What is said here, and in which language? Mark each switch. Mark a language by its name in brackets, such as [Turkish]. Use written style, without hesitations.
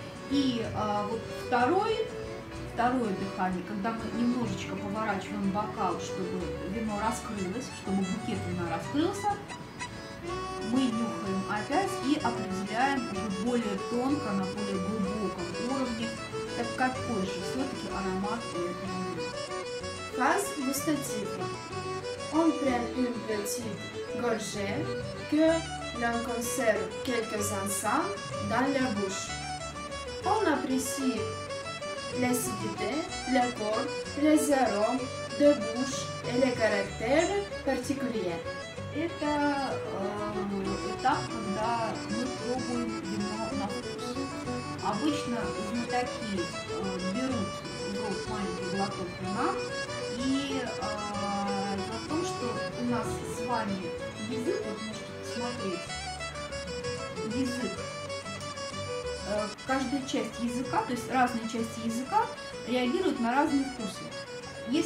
[Russian] И вот второе дыхание, когда мы немножечко поворачиваем бокал, чтобы вино раскрылось, чтобы букет вина раскрылся, мы нюхаем опять и определяем уже более тонко, на более глубоком уровне, так какой же все-таки аромат этого вина. [French] Фас густатив. Он prend une petite gorgée que l'on conserve quelques instants dans la bouche. On apprécie l'acidité, le corps, les arômes de bouche et les caractères particuliers. [Russian] Это этап, когда мы пробуем вино на вкус. Обычно знатоки берут вот маленький глоток вина и за то, что у нас с вами язык, вот можете посмотреть, язык, каждая часть языка, то есть разные части языка реагируют на разные вкусы.